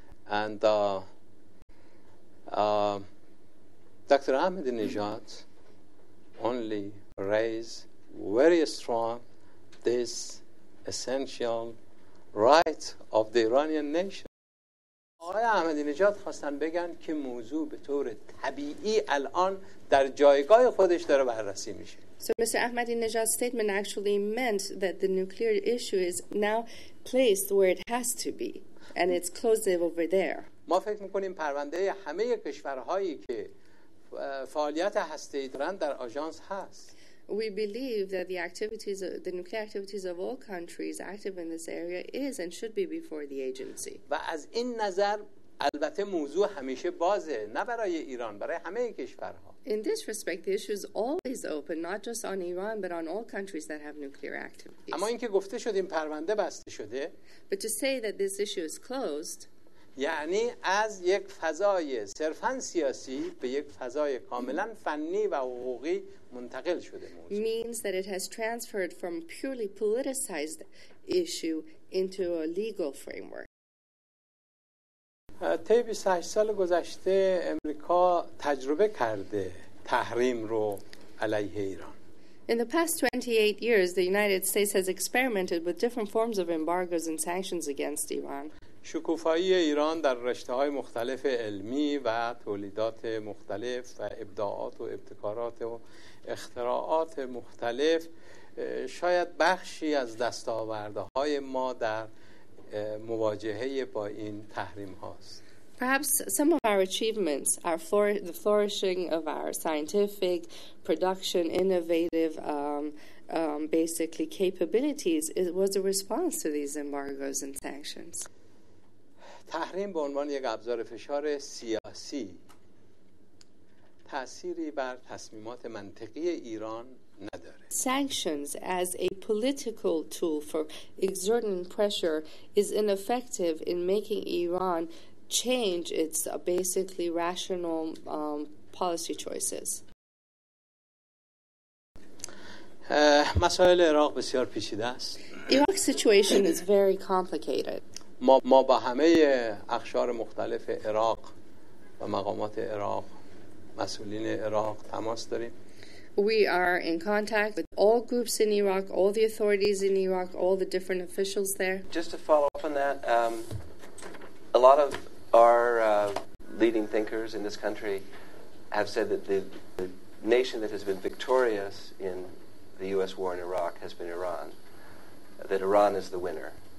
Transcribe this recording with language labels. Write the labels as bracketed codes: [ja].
[en] And Dr. Ahmadinejad only raised very strong this essential right of the Iranian nation. [fa] آقای احمدی نژاد خواستن بگن که موضوع به طور طبیعی الان در جایگاه خودش داره بررسی میشه. [en] So Mr. Ahmadinejad's statement actually meant that the nuclear issue is now placed where it has to be and it's closed over there. [fa] ما فکر میکنیم پرونده همه کشورهایی که فعالیت هسته‌ای دارن در آژانس هست. [en] We believe that the nuclear activities of all countries active in this area is and should be before the agency. [fa] و از این نظر البته موضوع همیشه بازه، نه برای ایران، برای همه کشورها. [en] In this respect, the issue is always open, not just on Iran, but on all countries that have nuclear activities. [fa] اما اینکه گفته شد این پرونده بسته شده. [en] But to say that this issue is closed. [fa] یعنی از یک فضای صرفاً سیاسی به یک فضای کاملاً فنی و حقوقی منتقل شده موضوع. [en] Means that it has transferred from purely politicized issue into a legal framework. [fa] طی 28 سال گذشته امریکا تجربه کرده تحریم رو علیه ایران. [en] In the past 28 years, the United States has experimented with different forms of embargoes and sanctions against Iran. [fa] شکوفایی ایران در رشته‌های مختلف علمی و تولیدات مختلف و ابداعات و ابتکارات و اختراعات مختلف شاید بخشی از دستاوردهای ما در مواجهه با این تحریم هاست. [en] Perhaps some of our achievements are the flourishing of our scientific production, innovative basically capabilities. It was a response to these embargoes and sanctions. [fa] تحریم به عنوان یک ابزار فشار سیاسی تأثیری بر تصمیمات منطقی ایران نداره. [en] Sanctions as a political tool for exerting pressure is ineffective in making Iran change its basically rational policy choices. [fa] مسائل عراق بسیار پیچیده است. [en] Iraq's situation is very complicated. [fa] ما با همه اقشار مختلف عراق و مقامات عراق، مسئولین عراق تماس داریم. [en] We are in contact with all groups in Iraq, all the authorities in Iraq, all the different officials there. Just to follow up on that, a lot of our leading thinkers in this country have said that the nation that has been victorious in the US war in Iraq has been Iran, that Iran is the winner.